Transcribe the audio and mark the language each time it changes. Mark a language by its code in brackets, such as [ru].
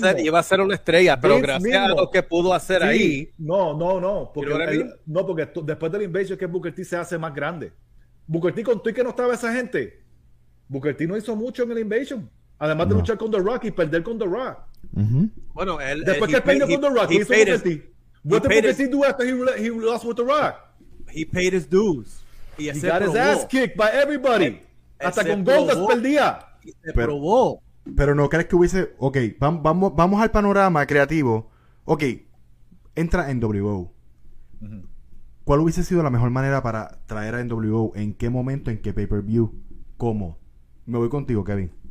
[es] iba a ser una estrella, pero Vince gracias mismo, a lo que pudo hacer ahí. No. Porque después del Invasion, que Booker T se hace más grande. Booker T contó y que no estaba esa gente. Booker T no hizo mucho en el Invasion. Además de luchar con The Rock y perder con The Rock. Uh-huh. Bueno, él. Después que perdió con The Rock, ¿qué hizo Booker T? [en] ¿What did Booker T do after he lost with The Rock? He paid his dues. He got his ass kicked by everybody. [es] Hasta con Goldust perdía. Pero probó. Pero no crees que hubiese. Ok, vamos al panorama creativo. Ok, entra en WWE. ¿Cuál hubiese sido la mejor manera para traer a NWO? ¿En qué momento? ¿En qué pay-per-view? ¿Cómo? Me voy contigo, Kevin.